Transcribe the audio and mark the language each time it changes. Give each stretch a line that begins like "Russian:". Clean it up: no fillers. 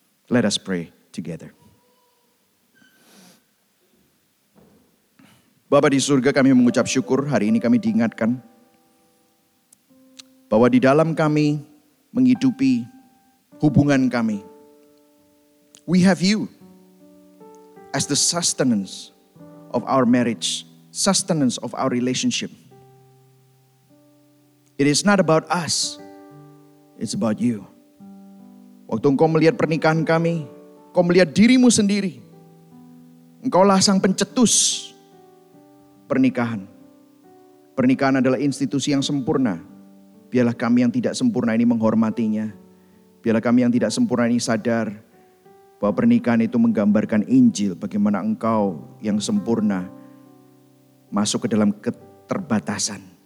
English: Let us pray together.
Indonesian: Bapa di surga, kami mengucap syukur hari ini kami diingatkan bahwa di dalam kami menghidupi hubungan kami.
English: We have you as the sustenance of our marriage, sustenance of our relationship. It is not about us, it's about you.
Indonesian: Waktu engkau melihat pernikahan kami, engkau melihat dirimu sendiri. Engkaulah sang pencetus pernikahan. Pernikahan adalah institusi yang sempurna. Biarlah kami yang tidak sempurna ini menghormatinya. Biarlah kami yang tidak sempurna ini sadar bahwa pernikahan itu menggambarkan Injil, bagaimana engkau yang sempurna masuk ke dalam keterbatasan.